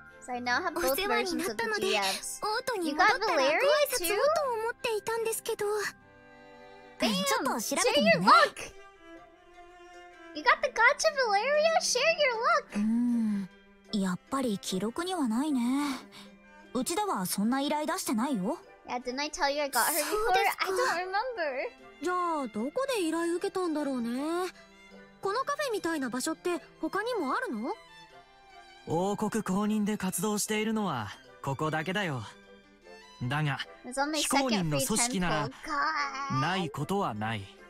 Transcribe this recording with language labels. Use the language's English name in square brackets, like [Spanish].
[English] So I now have both versions of the GFs. You got Valeria too? [Japanese] と思っていたんですけど。ちょっと調べてみね。 [English] Share your luck. You got the gacha Valeria. Share your luck. [Japanese] やっぱり記録にはないね。うちではそんな依頼出してないよ。 [English] Yeah, didn't I tell you I got her before? I don't remember. [Japanese] じゃあどこで依頼受けたんだろうね。このカフェみたいな場所って他にもあるの？王国公認で活動しているのはここだけだよ。だが非公認の組織ならないことはない。